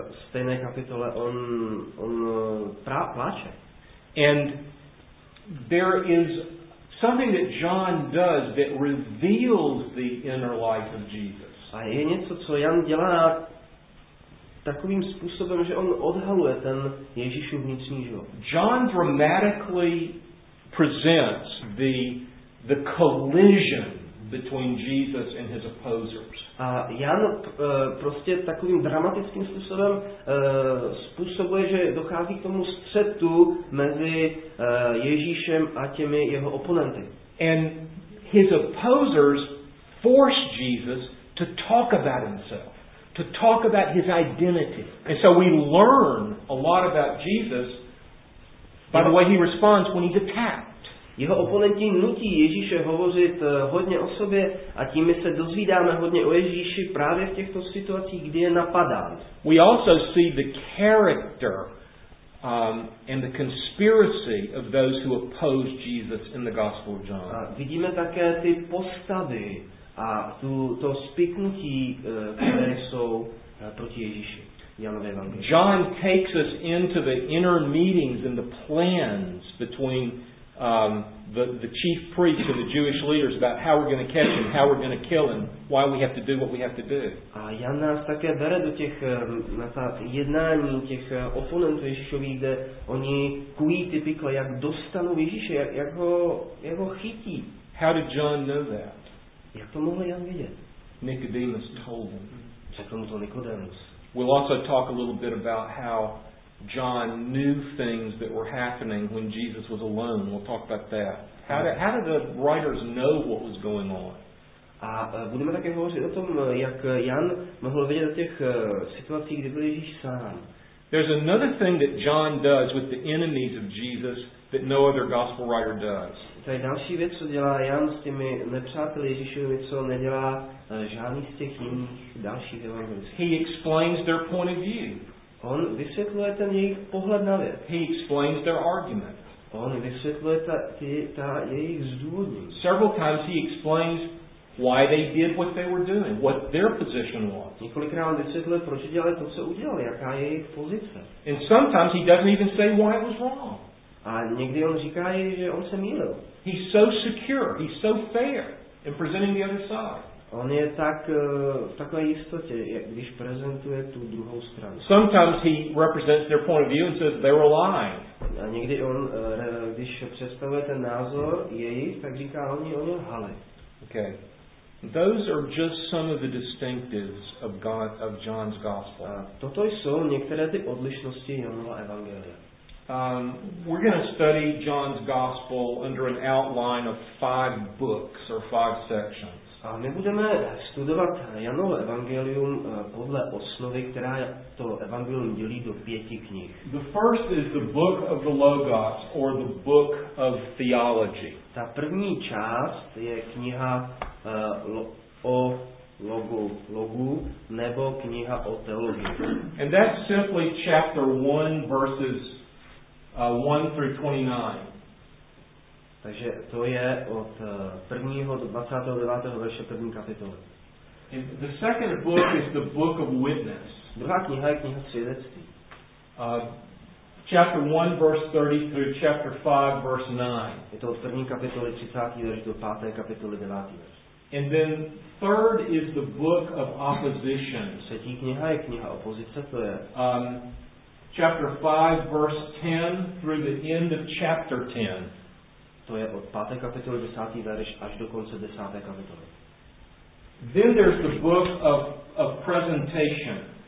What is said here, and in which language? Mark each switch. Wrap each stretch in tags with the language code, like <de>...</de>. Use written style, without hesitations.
<cs>Stejné kapitole on pláče.</cs> <en>And there is something that John does that reveals the inner life of Jesus.</en> <cs>A je něco, co Jan dělá takovým způsobem, že on odhaluje ten Ježíšův vnitřní život.</cs> <en>John dramatically presents the collision between Jesus and his opposers.</en> <cs>A Jan prostě takovým dramatickým způsobem způsobuje, že dochází k tomu střetu mezi Ježíšem a těmi jeho oponenty.</cs> <en>And his opposers force Jesus to talk about himself, to talk about his identity. And so we learn a lot about Jesus by the way he responds when he's attacked.</en> <cs>Jeho oponenti nutí Ježíše hovořit hodně o sobě a tím my se dozvídáme hodně o Ježíši právě v těchto situacích, kdy je napadán.</cs> <en>We also see the character and the conspiracy of those who oppose Jesus in the Gospel of John.</en> <cs>A vidíme také ty postavy a to spiknutí, které jsou proti Ježíši.</cs> <en>John takes us into the inner meetings and the plans between the chief priests and the Jewish leaders about how we're going to catch him, how we're going to kill him, why we have to do what we have to do.</en> <cs>A Jan nás také bere do těch na ta jednání těch oponentů Ježíšovi, kde oni kují ty pikle, jak dostanou Ježíše, jak ho chytí.</cs> <en>How did John know that?</en> <cs>Jak to mohl Jan vědět?</cs> <en>Nicodemus told him.</en> <cs>Řekl mu to Nikodemus.</cs> <en>We'll also talk a little bit about how John knew things that were happening when Jesus was alone. We'll talk about that. How did the writers know what was going on?</en> <cs>A budeme také hovořit o tom, jak Jan mohl vědět o těch situacích, kdy byl Ježíš sám.</cs> <en>There's another thing that John does with the enemies of Jesus that no other gospel writer does.</en> <cs>To je další věc, co dělá Jan s těmi nepřáteli Ježíšovi, co nedělá žádný z těch jiných dalších evangelistů.</cs> <en>He explains their point of view.</en> <cs>On vysvětluje ten jejich pohled na věc.</cs> <en>He explains their argument.</en> <cs>On vysvětluje ta jejich zdůvodnění.</cs> <en>Several times he explains why they did what they were doing, what their position was.</en> <cs>Několikrát on vysvětluje, proč dělali to, co udělali, jaká je jejich pozice.</cs> <en>And sometimes he doesn't even say why it was wrong.</en> <cs>A někdy on říká, že on se mýlil.</cs> <en>He's so secure, he's so fair in presenting the other side.</en> <cs>On je tak v takové jistotě, když prezentuje tu druhou stranu.</cs> <en>Sometimes he represents their point of view and says they were lying.</en> <cs>A někdy on, když představuje ten názor jejich, tak říká, oni lhali.</cs> <en>Okay. Those are just some of the distinctives of God of John's gospel.</en> <cs>A toto jsou některé ty odlišnosti Janova evangelia.</cs> <en>We're going to study John's gospel under an outline of 5 books or 5 sections.</en> <cs>A my budeme studovat Janovo evangelium podle osnovy, která to evangelium dělí do 5 knih.</cs> <en>The first is the book of the Logos or the book of theology.</en> <cs>Ta první část je kniha o logu nebo kniha o teologii.</cs> <en>And that's simply chapter 1 verses 1 through 29.</en> <cs>Takže to je od 1. do 29. verše první kapitoly.</cs> <en>The second book is the book of witness.</en> <cs>Druhá kniha je kniha svědectví.</cs> <en>Chapter 1 verse 30 through chapter 5 verse 9.</en> <cs>Je to od první kapitoly 30. verš do páté kapitoly 9. verš.</cs> <en>And then third is the book of opposition.</en> <cs>Třetí kniha je kniha opozice, to je.</cs> <en>Chapter 5 verse 10 through the end of chapter 10.</en> <cs>To je od páté kapitoly 10. verš až do konce 10. kapitoly.</cs> <en>Then there's the book of presentation.</en>